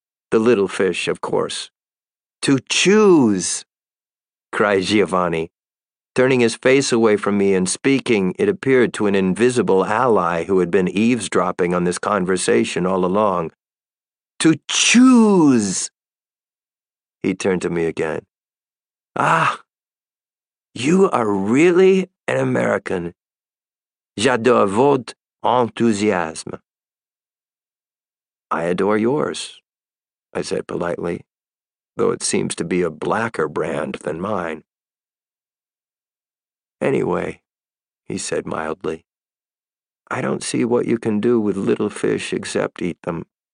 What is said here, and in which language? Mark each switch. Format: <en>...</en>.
<en>The little fish, of course. To choose, cried Giovanni, turning his face away from me and speaking, it appeared, to an invisible ally who had been eavesdropping on this conversation all along. To choose! He turned to me again. Ah, you are really an American.</en> <fr>J'adore votre enthousiasme.</fr> <en>I adore yours, I said politely, though it seems to be a blacker brand than mine. Anyway, he said mildly, I don't see what you can do with little fish except eat them.</en>